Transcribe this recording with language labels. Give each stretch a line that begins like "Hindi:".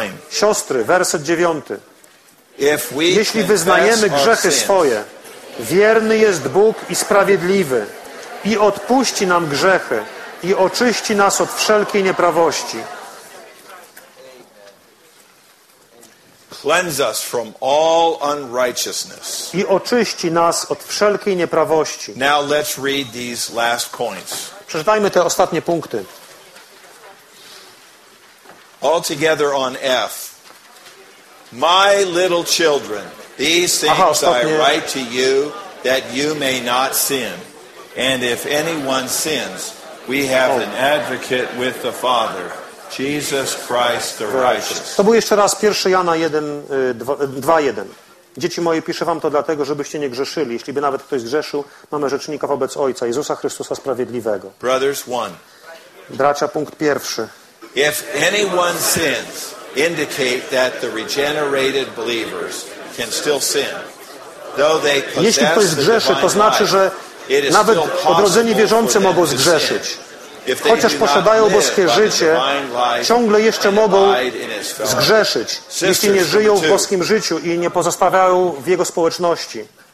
Polish: Siostry, werset 9. Jeśli wyznajemy grzechy swoje, wierny jest Bóg i sprawiedliwy i odpuści nam grzechy i oczyści nas od wszelkiej nieprawości.
English: Cleanse us from all unrighteousness.
Polish: I oczyści nas od wszelkiej nieprawości.
English: Now let's read these last points.
Polish: Przeczytajmy te ostatnie punkty.
English: All together on F. My little children, these things I write to you that you may not sin. And if anyone sins, we have an advocate with the Father, Jesus Christ the righteous.
Polish: To był jeszcze raz 1 Jana 2:1. Dzieci moje, piszę wam to dlatego, żebyście nie grzeszyli. Jeśli by nawet ktoś zgrzeszył, mamy rzecznika wobec Ojca, Jezusa Chrystusa Sprawiedliwego.
English: Brothers 1.
Polish: Bracia, punkt pierwszy.
English: If anyone sins, indicate that the regenerated believers can still sin. Though they possess
Polish: Jeśli ktoś zgrzeszy, to znaczy, że nawet odrodzeni wierzący mogą zgrzeszyć. Chociaż posiadają boskie życie, ciągle jeszcze mogą zgrzeszyć, jeśli nie żyją w boskim życiu i nie pozostawiają w Jego społeczności.